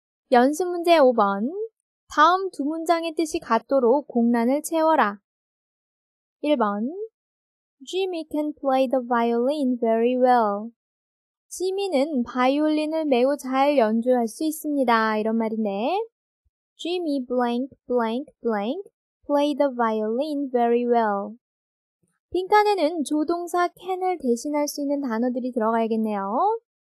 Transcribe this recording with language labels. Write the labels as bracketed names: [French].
[Korean] 연습 문제 5번. 다음 두 문장의 뜻이 같도록 공란을 채워라. [English] 1번. Jimmy can play the violin very well. [Korean] 지미는 바이올린을 매우 잘 연주할 수 있습니다. 이런 말인데. [English] Jimmy blank blank blank play the violin very well. [Korean] 빈칸에는 조동사 can을 대신할 수 있는 단어들이 들어가야겠네요.